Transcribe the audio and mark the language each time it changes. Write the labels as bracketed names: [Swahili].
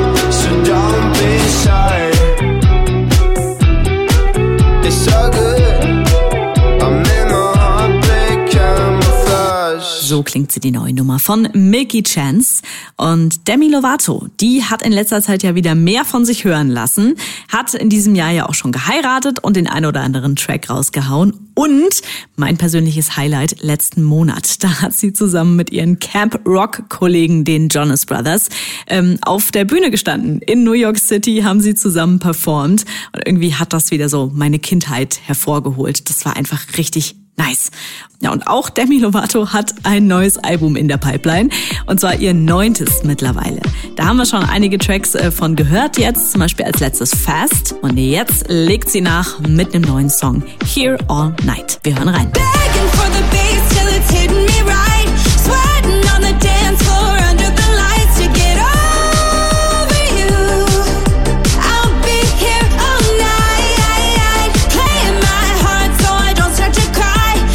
[English] So don't be shy. It's so good. I'm in my heartbreak camouflage. [German] So klingt sie, die neue Nummer von Milky Chance. Und Demi Lovato, die hat in letzter Zeit ja wieder mehr von sich hören lassen, hat in diesem Jahr ja auch schon geheiratet und den ein oder anderen Track rausgehauen. Und mein persönliches Highlight letzten Monat, da hat sie zusammen mit ihren Camp Rock Kollegen, den Jonas Brothers, auf der Bühne gestanden. In New York City haben sie zusammen performt und irgendwie hat das wieder so meine Kindheit hervorgeholt. Das war einfach richtig nice. Ja, und auch Demi Lovato hat ein neues Album in der Pipeline. Und zwar ihr 9. mittlerweile. Da haben wir schon einige Tracks von gehört jetzt. Zum Beispiel als letztes Fast. Und jetzt legt sie nach mit einem neuen Song. Here All Night. Wir hören rein. [English] Begging for the bass till it's hitting me right. Sweating on the dance floor under the lights to get over you. I'll be here all night. Playing my heart so I don't start to cry.